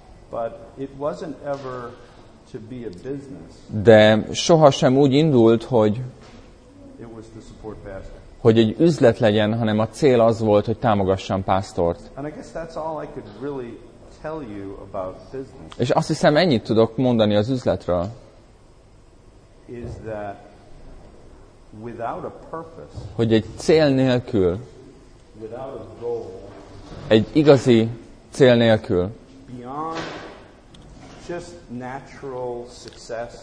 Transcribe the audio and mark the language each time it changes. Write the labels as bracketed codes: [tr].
[en] But it wasn't ever to be a business. [hu] De sohasem úgy indult, hogy [en] it was to support pastor. [hu] Hogy egy üzlet legyen, hanem a cél az volt, hogy támogassam pásztort. [en] And I guess that's all I could really tell you about business. [hu] És azt hiszem, ennyit tudok mondani az üzletről. [en] Is that without a purpose, [hu] hogy egy cél nélkül, [en] without a goal, [hu] egy igazi cél nélkül, [en] beyond just natural success,